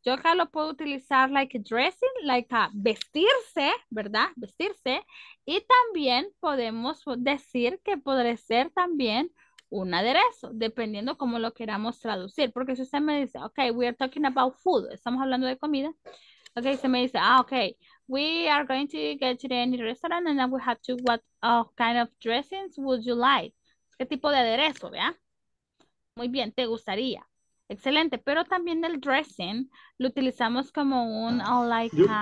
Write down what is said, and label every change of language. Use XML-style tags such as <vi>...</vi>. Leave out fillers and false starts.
<es>Yo acá lo puedo utilizar</es> <en>like dressing,</en> <es>like a vestirse, ¿verdad? Vestirse. Y también podemos decir que podría ser también un aderezo, dependiendo cómo lo queramos traducir. Porque si usted me dice, ok,</es> <en>we are talking about food.</en> <es>Estamos hablando de comida.</es> <en>Ok,</en> <es>se me dice,</es> <en>ah, ok, we are going to get to any restaurant and then we have to, what kind of dressings would you like?</en> <es>¿Qué tipo de aderezo, vea? Muy bien, te gustaría. Excelente, pero también el dressing lo utilizamos como un like.</es>